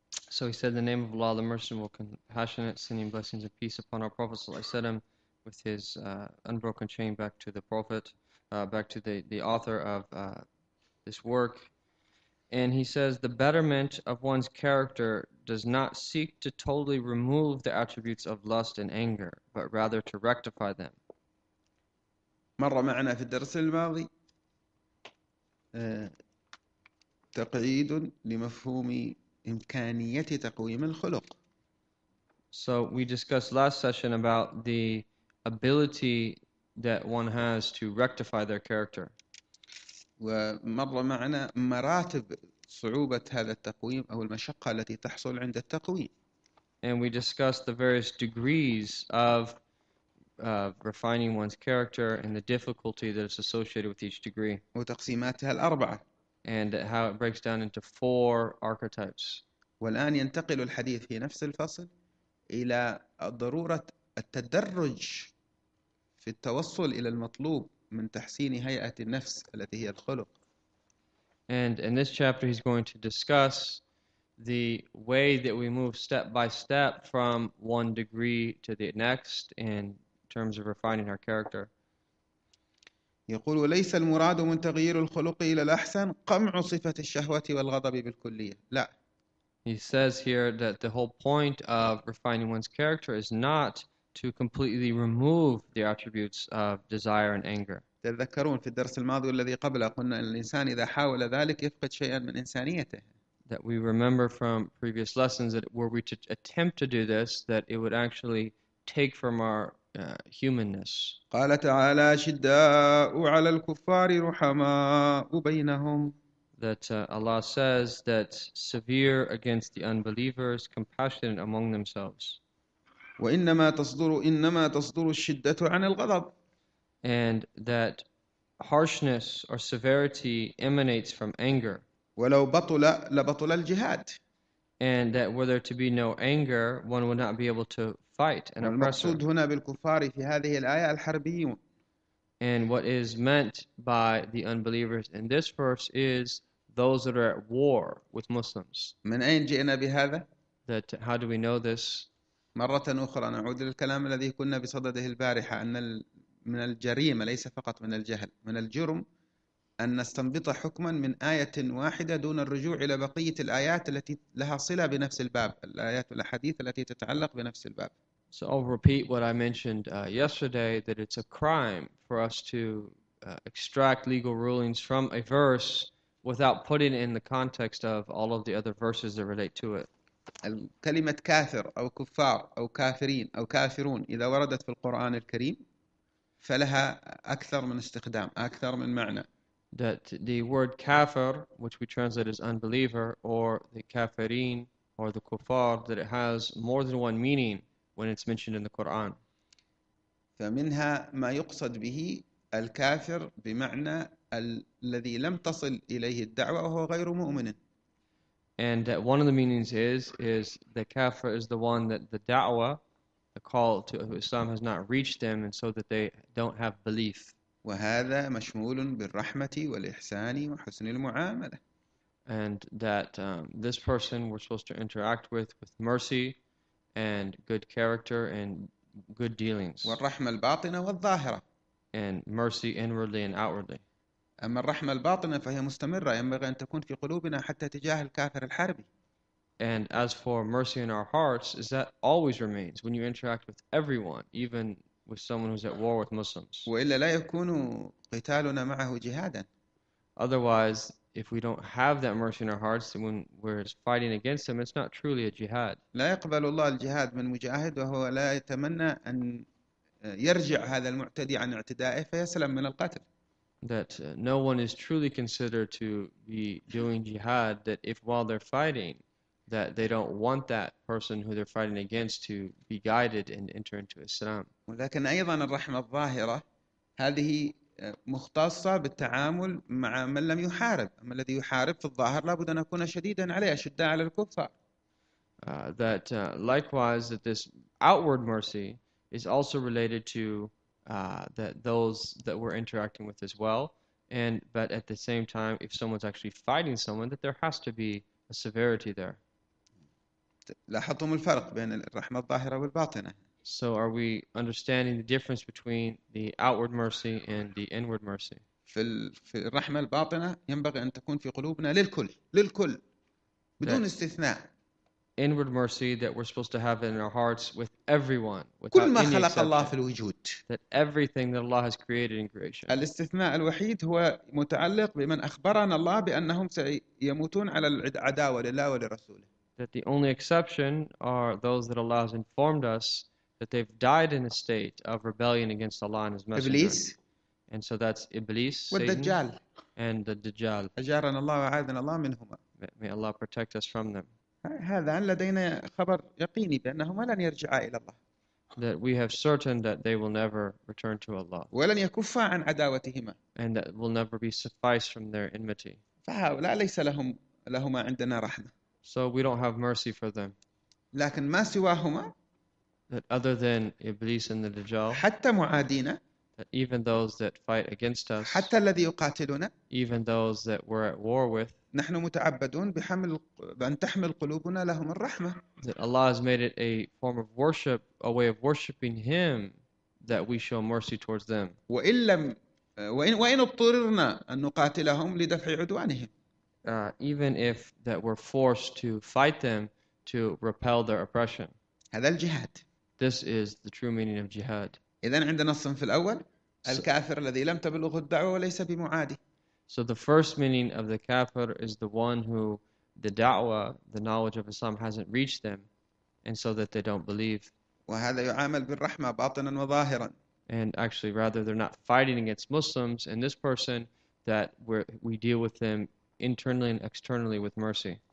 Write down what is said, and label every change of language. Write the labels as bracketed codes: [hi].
[en] So he said, "In the name of Allah, the Merciful, Compassionate, sending blessings and peace upon our Prophet ﷺ, with his unbroken chain back to the Prophet, back to the author of this work." And he says, "The betterment of one's character does not seek to totally remove the attributes of lust and anger, but rather to rectify them." [ar] مر معنا في الدرس الماضي تقعيد لمفهوم إمكانية تقويم الخلق. [en] So we discussed last session about the ability that one has to rectify their character. [ar] ومر معنا مراتب صعوبة هذا التقويم أو المشقة التي تحصل عند التقويم. [en] And we discussed the various degrees of refining one's character and the difficulty that is associated with each degree. [ar] وتقسيماتها الأربعة. [en] And how it breaks down into four archetypes. [ar] والآن ينتقل الحديث في نفس الفصل إلى ضرورة التدرج في التوصل إلى المطلوب من تحسين هيئة النفس التي هي الخلق. [en] And in this chapter, he's going to discuss the way that we move step by step from one degree to the next in terms of refining our character. [ar] يقول: ليس المراد من تغيير الخلق إلى الأحسن قمع صفة الشهوة والغضب بالكلية. لا، [en] He says here that the whole point of refining one's character is not to completely remove the attributes of desire and anger. [ar] تذكرون في الدرس الماضي والذي قبله قلنا أن الإنسان إذا حاول ذلك يفقد شيئا من إنسانيته. [en] That we remember from previous lessons that were we to attempt to do this, that it would actually take from our humanness. [ar] قال تعالى: شداء على الكفار رحماء بينهم. [en] That Allah says that severe against the unbelievers, compassionate among themselves. [ar] وإنما تصدر الشدة عن الغضب. [en] And that harshness or severity emanates from anger. [ar] ولو بطل لبطل الجهاد. [en] And that were there to be no anger, one would not be able to fight an [ar] والمقصود [en] oppressor. [ar] هنا بالكفار في هذه الآية الحربيون. [en] And what is meant by the unbelievers in this verse is those that are at war with Muslims. [ar] من أين جئنا بهذا؟ [en] That how do we know this? [ar] مرة أخرى نعود للكلام الذي كنا بصدده البارحة، أن من الجريمة، ليس فقط من الجهل، من الجرم أن نستنبط حكما من آية واحدة دون الرجوع إلى بقية الآيات التي لها صلة بنفس الباب، الآيات والأحاديث التي تتعلق بنفس الباب. [en] So I'll repeat what I mentioned yesterday, that it's a crime for us to extract legal rulings from a verse without putting it in the context of all of the other verses that relate to it. [ar] كلمة كافر أو كفار أو كافرين أو كافرون إذا وردت في القرآن الكريم فلها أكثر من استخدام، أكثر من معنى. [en] That the word kafir, which we translate as unbeliever, or the kafirin, or the kuffar, that it has more than one meaning. When it's mentioned in the Quran. [ar] فمنها ما يقصد به الكافر بمعنى الذي لم تصل إليه الدعوة وهو غير مؤمن. [en] And one of the meanings is the kafir is the one that the da'wah, the call to Islam has not reached them and so that they don't have belief. [ar] وهذا مشمول بالرحمة والإحسان وحسن المعاملة. [en] And that this person we're supposed to interact with mercy and good character and good dealings. [ar] والرحمة الباطنة والظاهرة. [en] And mercy inwardly and outwardly. [ar] أما الرحمة الباطنة فهي مستمرة، ينبغي أن تكون في قلوبنا حتى تجاه الكافر الحربي. [en] And as for mercy in our hearts, is that always remains when you interact with everyone, even with someone who's at war with Muslims. [ar] وإلا لا يكون قتالنا معه جهادا. [en] Otherwise, if we don't have that mercy in our hearts when we're fighting against them, it's not truly a jihad. [ar] لا يقبل الله الجهاد من مجاهد وهو لا يتمنى أن يرجع هذا المعتدي عن اعتدائه فيسلم من القتل. [en] That no one is truly considered to be doing jihad, that if while they're fighting, that they don't want that person who they're fighting against to be guided and enter into Islam. [ar] ولكن أيضا الرحمة الظاهرة هذه مختصة بالتعامل مع من لم يحارب، أما الذي يحارب في الظاهر لابد أن أكون شديدا عليه، أشد على الكفار. [en] That likewise, that this outward mercy is also related to that those that we're interacting with as well. And but at the same time, if someone's actually fighting someone, that there has to be a severity there. [ar] لاحظتم الفرق بين الرحمة الظاهرة والباطنة. [en] So are we understanding the difference between the outward mercy and the inward mercy? [ar] في الرحمة الباطنة ينبغي أن تكون في قلوبنا للكل بدون [en] That [ar] استثناء. [en] inward mercy that we're supposed to have in our hearts with everyone [ar] كل [en] without [ar] ما [en] any [ar] خلق الله [en] exception. [ar] في الوجود. [en] That everything that Allah has created in creation. [ar] الاستثناء الوحيد هو متعلق بمن أخبرنا الله بأنهم سيموتون على العداوة لله ولرسوله. [en] That the only exception are those that Allah has informed us that they've died in a state of rebellion against Allah and His Messenger. [ar] إبليس [en] And so that's Iblis, Satan, [ar] والدجال. [en] and the Dajjal. [ar] أجارنا الله وأعاذنا الله منهما. [en] May Allah protect us from them. [ar] هذان لدينا خبر يقيني بأنهما لن يرجعا إلى الله. [en] That we have certain that they will never return to Allah. [ar] ولن يكفّا عن عداوتهما. [en] And that will never be sufficed from their enmity. [ar] فهؤلاء ليس لهما عندنا رحمة. [en] So we don't have mercy for them. [ar] لكن ما سواهما [en] That other than Iblis and the Dajjal, [ar] حتى معادينا [en] that even those that fight against us, [ar] حتى الذي يقاتلنا [en] even those that we're at war with, [ar] نحن متعبدون بحمل بأن تحمل قلوبنا لهم الرحمة. [en] That Allah has made it a form of worship, a way of worshiping Him, that we show mercy towards them. [ar] وإن اضطررنا أن نقاتلهم لدفع عدوانهم. [en] Even if that we're forced to fight them to repel their oppression. [ar] هذا الجهاد. [en] This is the true meaning of jihad. [ar] إذن عندنا الصنف الأول الكافر الذي لم تبلغه الدعوة وليس بمعادي. [en] So the first meaning of the kafir is the one who the da'wah, the knowledge of Islam hasn't reached them and so that they don't believe. [ar] وهذا يعامل بالرحمة باطنا وظاهرا. [en] And actually rather they're not fighting against Muslims and this person that we deal with them internally and externally with mercy.